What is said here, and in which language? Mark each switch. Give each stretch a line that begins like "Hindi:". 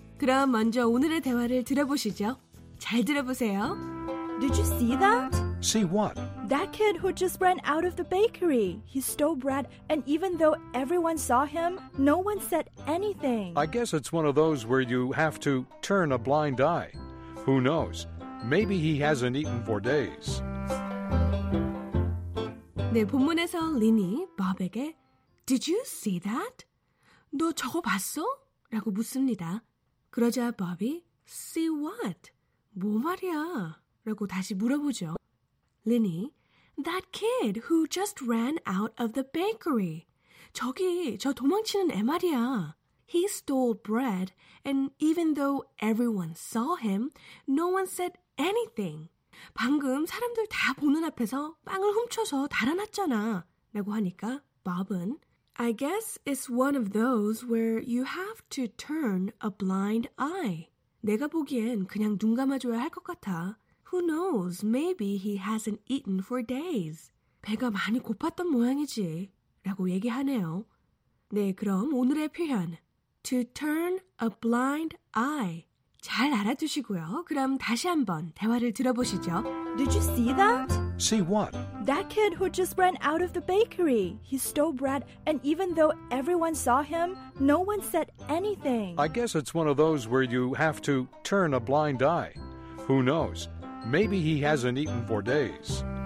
Korean: 그럼 먼저 오늘의 대화를 들어보시죠. 잘 들어보세요.
English: Did you see that? See what? That kid who just ran out of the bakery. He stole bread, and even though everyone saw him, no one said anything. I guess it's one of those where you have to turn a blind eye. Who knows? Maybe he hasn't eaten for days.
Korean: 네, 본문에서 린이 밥에게
English: Did you see that?
Korean: 너 저거 봤어? 라고 묻습니다. 그러자 밥이
English: See what?
Korean: 뭐 말이야? 라고 다시 물어보죠.
English: 린이 That kid who just ran out of the bakery.
Korean: 저기 저 도망치는 애 말이야.
English: He stole bread and even though everyone saw him, no one said anything.
Korean: 방금 사람들 다 보는 앞에서 빵을 훔쳐서 달아났잖아 라고 하니까 Bob은
English: I guess it's one of those where you have to turn a blind eye.
Korean: 내가 보기엔 그냥 눈 감아줘야 할 것 같아.
English: Who knows, maybe he hasn't eaten for days.
Korean: 배가 많이 고팠던 모양이지 라고 얘기하네요. 네, 그럼 오늘의 표현
English: To turn a blind eye.
Korean: 잘 알아두시고요. 그럼 다시 한번 대화를 들어보시죠.
English: Did you see that? See what? That kid who just ran out of the bakery. He stole bread, and even though everyone saw him, no one said anything. I guess it's one of those where you have to turn a blind eye. Who knows? Maybe he hasn't eaten for days.